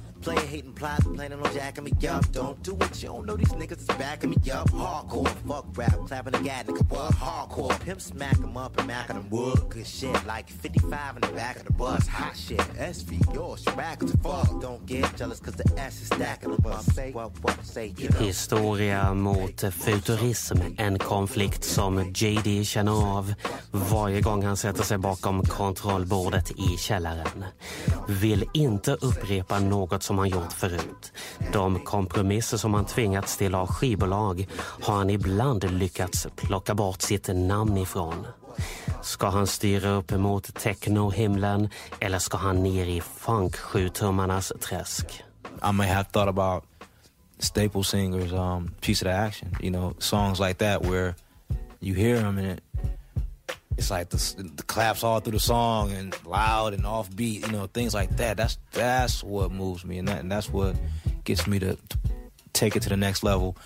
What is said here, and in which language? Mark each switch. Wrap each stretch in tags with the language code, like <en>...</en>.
<en>Play hating plots, planning on jacking me up. Don't do it, you don't know these niggas is backing me up. Hardcore, fuck rap, clapping the gat, nigga, what? Hardcore, pimp smack him up and mackin' him wood. Good shit, like 55 in the back of the bus. Hot shit, SV, your shrack to fuck. Don't get jealous, cause the S is stacking the bus. Say what, say you know.</en> <sv>Historia mot futurism, en konflikt som JD känner av varje gång han sätter sig bakom kontrollbordet i källaren. Vill inte upprepa något som han gjort förut. De kompromisser som han tvingats till av skivbolag har han ibland lyckats plocka bort sitt namn ifrån. Ska han styra upp mot techno-himlen eller ska han ner i funk-sjutummarnas träsk?</sv> <en>I may have thought about Staple Singers, Piece of the Action, you know, songs like that where you hear them and it's like the claps all through the song and loud and offbeat, you know, things like that. That's what moves me, and that's what gets me to take it to the next level.</en>